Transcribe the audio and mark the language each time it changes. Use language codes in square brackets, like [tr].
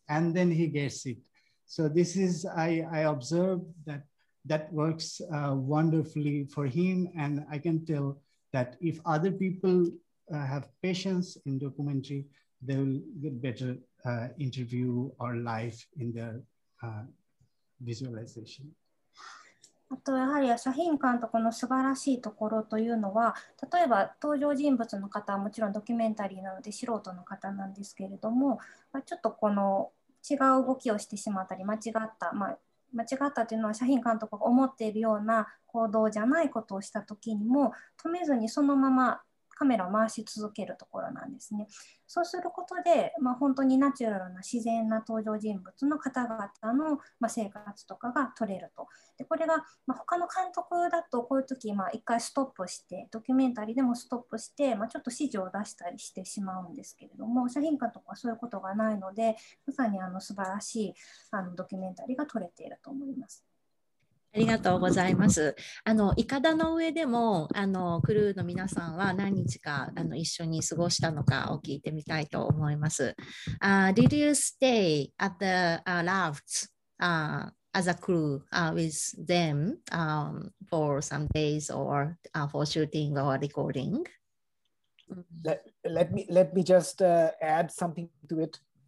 [en] And then he gets it. So this is, I observe that works wonderfully for him. And I can tell,that if other people have patience in documentary, they will get better interview or life in their visualization. [ja] あとやはりシャヒーン監督の素晴らしいところというのは、例えば登場人物の方はもちろんドキュメンタリーなので素人の方なんですけれども、ちょっとこの違う動きをしてしまったり間違った、間違ったというのはシャヒーン監督が思っているような行動じゃないことをしたときにも止めずにそのままカメラを回し続けるところなんですね。そうすることで、本当にナチュラルな自然な登場人物の方々の、生活とかが撮れると。でこれが、他の監督だとこういうとき、一回ストップしてドキュメンタリーでもストップして、ちょっと指示を出したりしてしまうんですけれども、シャヒーン監督はそういうことがないので、まさに素晴らしいドキュメンタリーが撮れていると思います。ありがとうございます。いかだの上でもクルーの皆さんは何日か一緒に過ごしたのかを聞いてみたいと思います。 [en] Did you stay at the rafts as a crew with them for some days or for shooting or recording? Let me just add something to it.